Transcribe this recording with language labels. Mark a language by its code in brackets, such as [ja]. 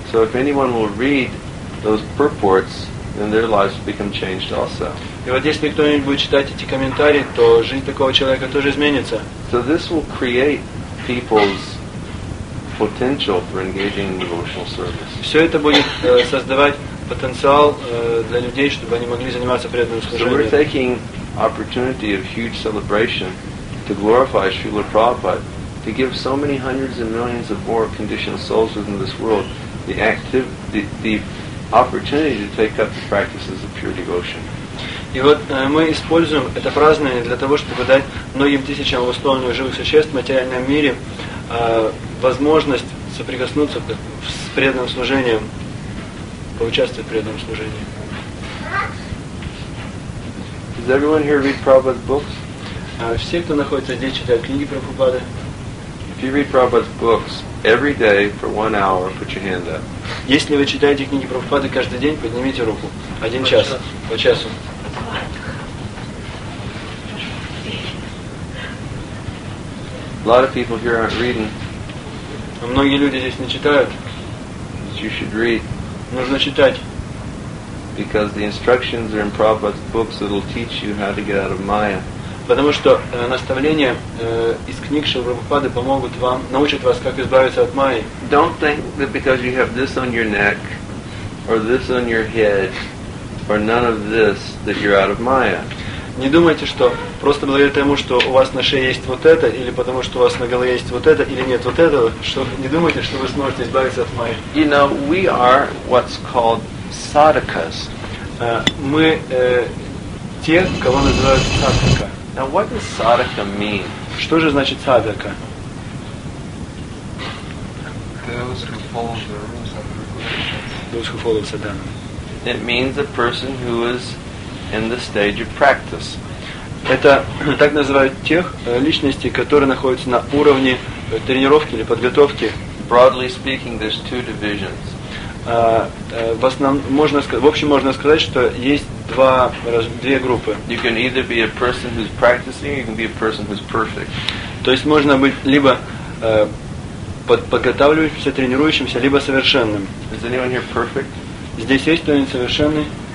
[en] So if anyone will read those purports, then their lives will become changed also. [ru] И вот если кто-нибудь будет читать эти комментарии, то жизнь такого человека тоже изменится. [en] So this will create people's potential for engaging in devotional service. [ru] Все это будет создавать потенциал для людей, чтобы они могли заниматься преданным служением. [en] So we're taking opportunity of huge celebration to glorify Srila Prabhupada, to give so many hundreds and millions of more conditioned souls within this world the opportunity to take up the practices of pure devotion. [ru] И вот мы используем это празднование для того, чтобы дать многим тысячам условных живых существ в материальном мире возможность соприкоснуться с преданным служением, поучаствовать в преданном служении. [en] Does everyone here read Prabhupada's books? [ru] Все, кто находится здесь, читают книги Прабхупады. [en] If you read Prabhupada's books every day for 1 hour, put your hand up. [ru] Если вы читаете книги Прабхупады каждый день, поднимите руку. Один час. По часу. [en] A lot of people here aren't reading. [ru] Многие люди здесь не читают. [en] But you should read. [ru] Нужно читать. [en] Because the instructions are in Prabhupada's books that will teach you how to get out of Maya. [ru] Потому что наставления из книг Шрилы Прабхупады помогут вам, научат вас, как избавиться от майи. [en] Don't think that because you have this on your neck, or this on your head, or none of this, that you're out of Maya. [ru] Не думайте, что просто благодаря тому, что у вас на шее есть вот это, или потому что у вас на голове есть вот это, или нет вот этого, что не думайте, что вы сможете избавиться от майи. [en] You know, we are what's called sadhakas. [ru] Мы те, кого называют садхака. [en] Now, what does sadhaka mean? [ru] Что же значит садхака? [en] Those who follow the rules and regulations. Those who follow sadhana. It means a person who is in the stage of practice. [ru] Это так называют тех личностей, которые находятся на уровне тренировки или подготовки. [en] Broadly speaking, there's two divisions. [ru] В общем можно сказать, что есть две группы. [en] You can either be a person who's practicing, or you can be a person who's perfect. [ru] То есть можно быть либо подготавливающимся, тренирующимся, либо совершенным. [en] Is anyone here perfect? [ru] Здесь есть кто-нибудь совершенный?